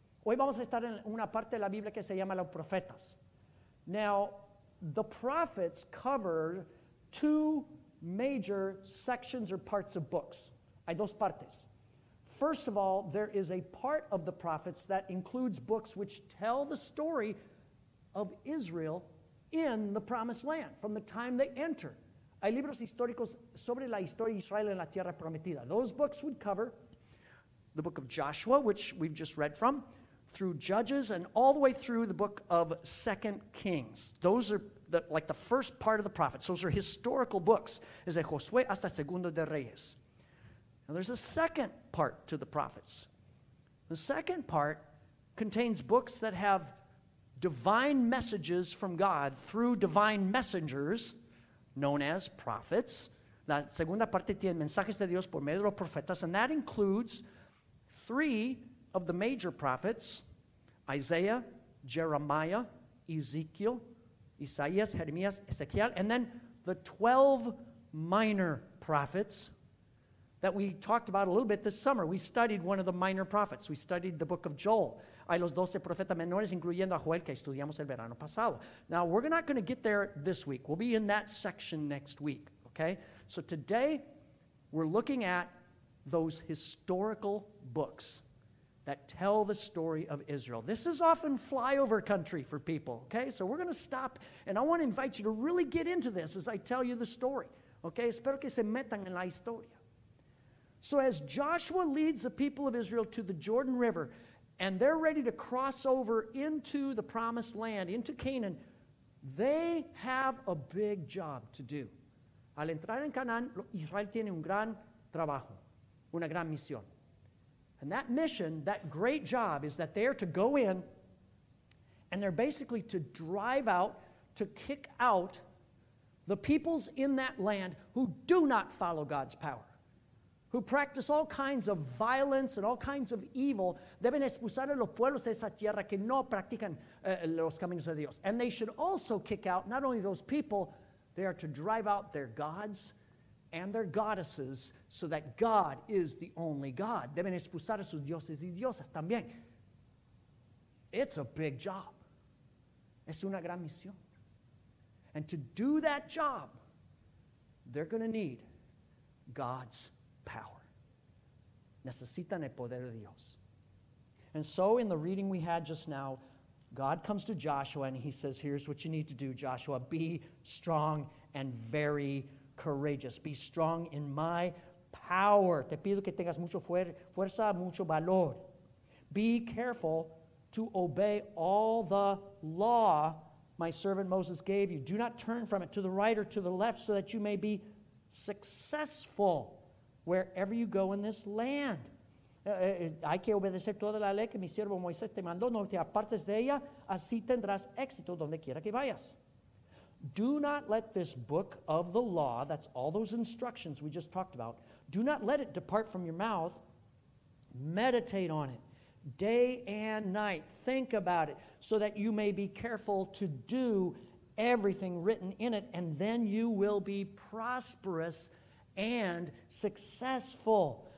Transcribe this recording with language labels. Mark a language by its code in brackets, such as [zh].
[es] Hoy vamos a estar en una parte de la Biblia que se llama los profetas. [en] Now, the prophets cover two major sections or parts of books. [es] Hay dos partes. [en] First of all, there is a part of the prophets that includes books which tell the story of Israel in the promised land from the time they enter. [es] Hay libros históricos sobre la historia de Israel en la tierra prometida. [en] Those books would cover the book of Joshua, which we've just read from, through Judges, and all the way through the book of 2 Kings. Those are the first part of the prophets. Those are historical books. [es] Es de Josué hasta Segundo de Reyes. [en] Now there's a second part to the prophets. The second part contains books that have divine messages from God through divine messengers known as prophets. [es] La segunda parte tiene mensajes de Dios por medio de los profetas, [en] and that includes three of the major prophets, Isaiah, Jeremiah, Ezekiel, Isaías, Jeremías, Ezequiel, and then the 12 minor prophets that we talked about a little bit this summer. We studied one of the minor prophets. We studied the book of Joel. [es] Hay los 12 profetas menores, incluyendo a Joel, que estudiamos el verano pasado. [en] Now, we're not going to get there this week. We'll be in that section next week, okay? So today, we're looking at those historical books that tell the story of Israel. This is often flyover country for people, okay? So we're going to stop, and I want to invite you to really get into this as I tell you the story, okay? [es] Espero que se metan en la historia. [en] So as Joshua leads the people of Israel to the Jordan River, and they're ready to cross over into the promised land, into Canaan, they have a big job to do. [es] Al entrar en Canaán, Israel tiene un gran trabajo, una gran misión. [en] And that mission, that great job, is that they are to go in, and they're basically to drive out, to kick out the peoples in that land who do not follow God's power, who practice all kinds of violence and all kinds of evil. [es] Deben expulsar a los pueblos de esa tierra que no practican los caminos de Dios. [en] And they should also kick out not only those people, they are to drive out their gods and their goddesses so that God is the only God. [es] Deben expulsar a sus dioses y diosas también. [en] It's a big job. [es] Es una gran misión. [en] And to do that job, they're going to need God's power. [es] Necesitan el poder de Dios. [en] And so in the reading we had just now, God comes to Joshua and he says, here's what you need to do, Joshua. Be strong and very courageous. Be strong in my power. [es] Te pido que tengas mucho fuerza, mucho valor. [en] Be careful to obey all the law my servant Moses gave you. Do not turn from it to the right or to the left so that you may be successful wherever you go in this land. [es] Hay que obedecer toda la ley que mi siervo Moisés te mandó. No te apartes de ella, así tendrás éxito donde quiera que vayas. [en] Do not let this book of the law, that's all those instructions we just talked about, do not let it depart from your mouth. Meditate on it day and night. Think about it so that you may be careful to do everything written in it, and then you will be prosperous and successful.